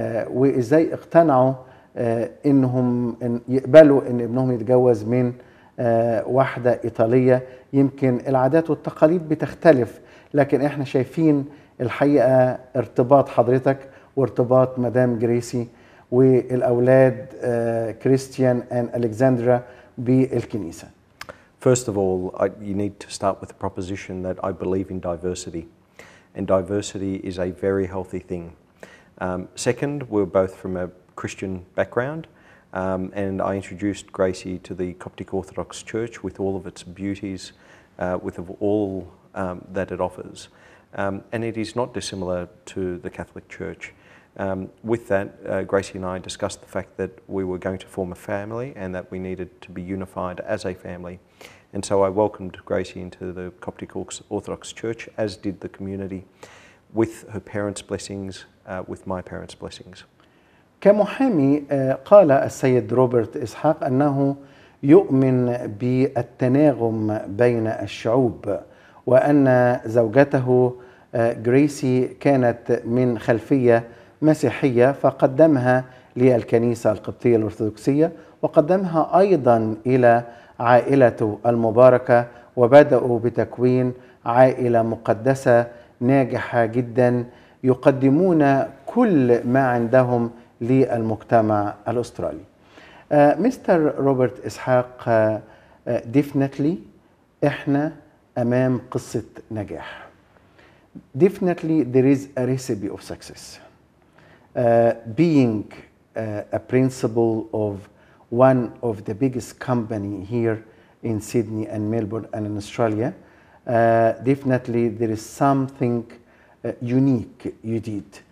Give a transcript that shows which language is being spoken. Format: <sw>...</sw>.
<ar>وإزاي اقتنعوا إنهم يقبلوا إن ابنهم يتجوز من واحدة إيطالية. يمكن العادات والتقاليد بتختلف، لكن إحنا شايفين الحقيقة ارتباط حضرتك وارتباط مدام جريسي والأولاد كريستيان</ar> <en>and</en> <ar>ألكسندرا بالكنيسة.</ar> <en>First of all, you need to start with the proposition that I believe in diversity, and diversity is a very healthy thing. Second, we're both from a Christian background, and I introduced Gracie to the Coptic Orthodox Church with all of its beauties, with all that it offers. And it is not dissimilar to the Catholic Church. With that, Gracie and I discussed the fact that we were going to form a family and that we needed to be unified as a family. And so I welcomed Gracie into the Coptic Orthodox Church, as did the community, with her parents' blessings, with my parents' blessings.</en> <ar>كمحامي قال السيد روبرت إسحاق أنه يؤمن بالتناغم بين الشعوب، وأن زوجته جريسي كانت من خلفية مسيحية فقدمها للكنيسة القبطية الأرثوذكسية، وقدمها أيضا إلى عائلته المباركة، وبدأوا بتكوين عائلة مقدسة ناجحة جدا، يقدمون كل ما عندهم للمجتمع الأسترالي. مستر روبرت إسحاق،</ar> <en>definitely</en> <ar>إحنا أمام قصة نجاح.</ar> <en>Definitely there is a recipe of success. Being a principal of one of the biggest company here in Sydney and Melbourne and in Australia, definitely there is something unique you did.</en>